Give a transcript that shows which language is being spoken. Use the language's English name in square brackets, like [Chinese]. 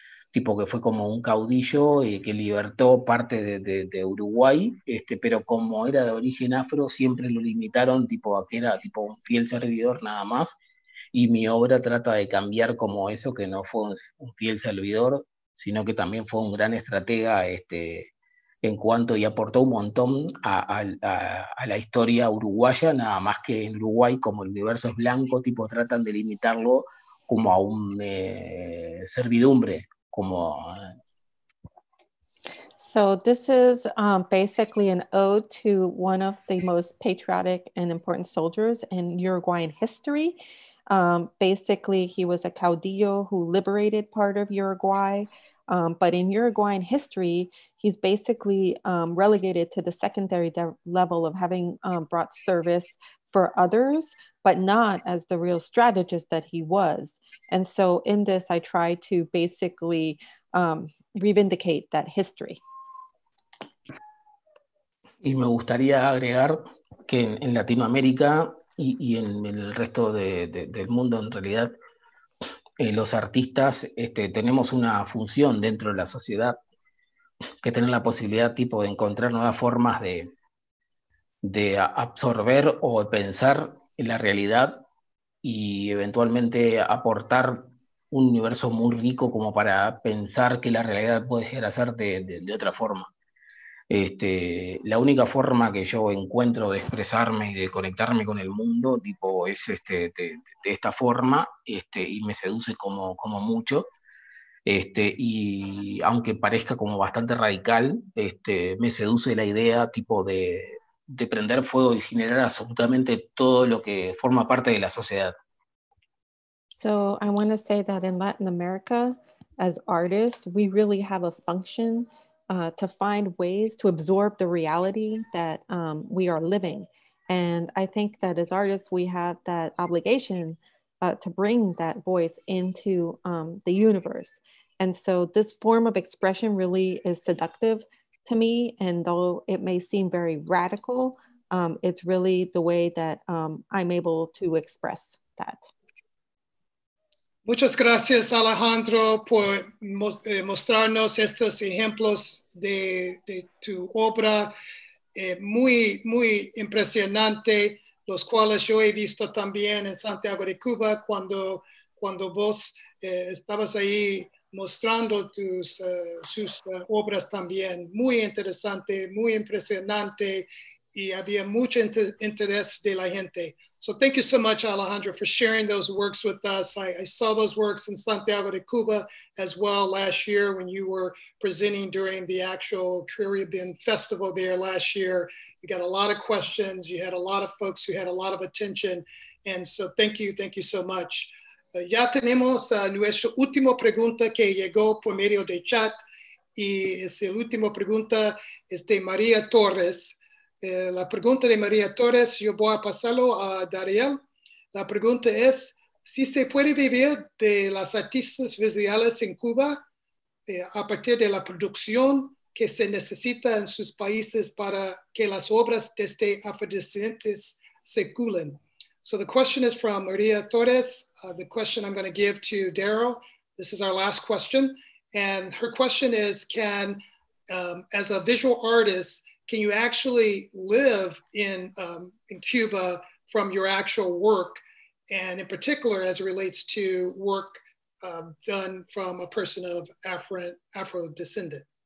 [Spanish] tipo que fue como un caudillo y que libertó parte de Uruguay, pero como era de origen afro, siempre lo limitaron tipo a que era tipo un fiel servidor nada más, y mi obra trata de cambiar como eso, que no fue un fiel servidor, sino que también fue un gran estratega en cuanto y aportó un montón a la historia uruguaya, nada más que en Uruguay, como el universo es blanco, tipo tratan de limitarlo como a un servidumbre, como... [English] So this is basically an ode to one of the most patriotic and important soldiers in Uruguayan history. Basically, he was a caudillo who liberated part of Uruguay. But in Uruguayan history, he's basically relegated to the secondary level of having brought service for others, but not as the real strategist that he was. And so in this, I try to basically revindicate that history. [Spanish] Y me gustaría agregar que en Latinoamérica y en el resto del mundo, en realidad, los artistas tenemos una función dentro de la sociedad, que tener la posibilidad tipo de encontrar nuevas formas de absorber o de pensar en la realidad y eventualmente aportar un universo muy rico como para pensar que la realidad puede llegar a ser de otra forma. La única forma que yo encuentro de expresarme y de conectarme con el mundo tipo es de esta forma, y me seduce como mucho, y aunque parezca como bastante radical, me seduce la idea tipo de prender fuego y generar absolutamente todo lo que forma parte de la sociedad. [English] So I want to say that in Latin America, as artists, we really have a function to find ways to absorb the reality that we are living. And I think that as artists, we have that obligation to bring that voice into the universe. And so this form of expression really is seductive to me. And though it may seem very radical, it's really the way that I'm able to express that. [Spanish] Muchas gracias, Alejandro, por mostrarnos estos ejemplos de tu obra, muy, muy impresionante, los cuales yo he visto también en Santiago de Cuba cuando vos estabas ahí mostrando sus obras también. Muy interesante, muy impresionante, y había mucho interés de la gente. [English] So thank you so much, Alejandro, for sharing those works with us. I saw those works in Santiago de Cuba as well last year when you were presenting during the actual Caribbean Festival there last year. You got a lot of questions. You had a lot of folks who had a lot of attention. And so thank you. Thank you so much. [Spanish] Ya tenemos nuestra última pregunta que llegó por medio de chat. Y es la última pregunta es de María Torres. La pregunta de María Torres, yo voy a pasarlo a Dariel. La pregunta es, ¿si se puede vivir de las artistas visuales en Cuba a partir de la producción que se necesita en sus países para que las obras de este afrodescendientes se culen? [English] So the question is from María Torres. The question I'm going to give to Daryl. This is our last question. And her question is, can, as a visual artist, can you actually live in Cuba from your actual work, and in particular as it relates to work done from a person of Afro descendant?